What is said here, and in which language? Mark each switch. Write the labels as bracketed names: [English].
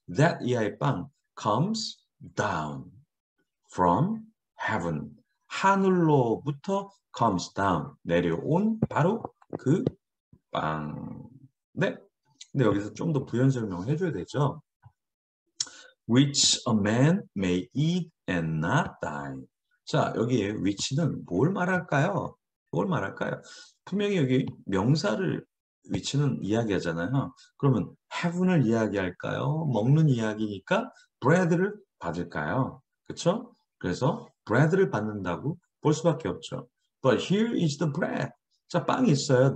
[English] That [Korean] 이하의 빵 [English] comes down from heaven. [Korean] 하늘로부터 [English] comes down, [Korean] 내려온 바로 그 빵. 네. 근데 여기서 좀더 부연 설명을 해줘야 되죠. [English] Which a man may eat and not die. [Korean] 자, 여기에 which는 뭘 말할까요? 뭘 말할까요? 분명히 여기 명사를 위치는 이야기하잖아요. 그러면 heaven을 이야기할까요? 먹는 이야기니까 bread를 받을까요? 그렇죠? 그래서 bread를 받는다고 볼 수밖에 없죠. [English] But here is the bread. [Korean] 자, 빵이 있어요.